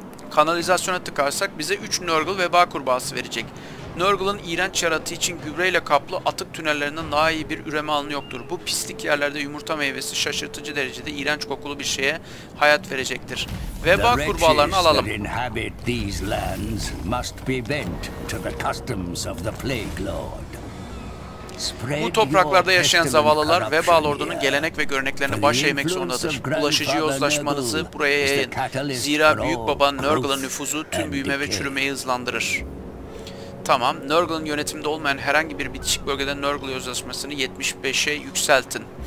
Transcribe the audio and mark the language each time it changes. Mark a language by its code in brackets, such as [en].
[tr] Kanalizasyona tıkarsak bize 3 Nurgle veba kurbağası verecek. Nurgle'ın iğrenç yaratığı için gübreyle kaplı atık tünellerinden daha iyi bir üreme alanı yoktur. Bu pislik yerlerde yumurta meyvesi şaşırtıcı derecede iğrenç kokulu bir şeye hayat verecektir. Veba kurbağalarını alalım. [en] The wretches that inhabit these lands must be bent to the customs of the plague lord. [tr] Bu topraklarda yaşayan zavallılar, Veba Lord'unun gelenek ve göreneklerini baş eğmek zorundadır. Bulaşıcı yozlaşmanızı buraya yayın. Zira Büyük Baba Nurgle'ın nüfuzu tüm büyüme ve çürümeyi hızlandırır. Tamam, Nurgle'ın yönetiminde olmayan herhangi bir bitişik bölgede Nurgle yozlaşmasını 75'e yükseltin.